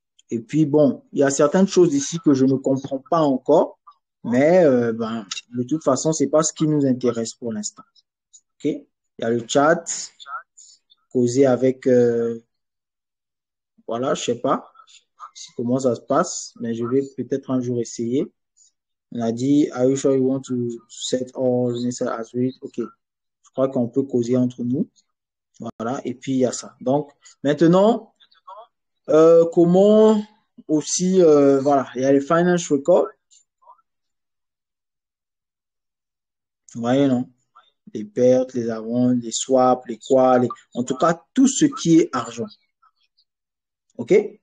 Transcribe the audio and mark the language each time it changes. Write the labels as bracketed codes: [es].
[fr] Et puis, bon, il y a certaines choses ici que je ne comprends pas encore. Mais, ben, de toute façon, ce n'est pas ce qui nous intéresse pour l'instant. Okay. Il y a le chat causé avec voilà, je sais pas comment ça se passe, mais je vais peut-être un jour essayer. On a dit, [en] Are you sure you want to set all this as well? [fr] Ok, je crois qu'on peut causer entre nous. Voilà, et puis il y a ça. Donc maintenant, comment aussi, voilà, il y a les finance records. Vous voyez, non? Les pertes, les avances, les swaps, les quoi, en tout cas, tout ce qui est argent. OK?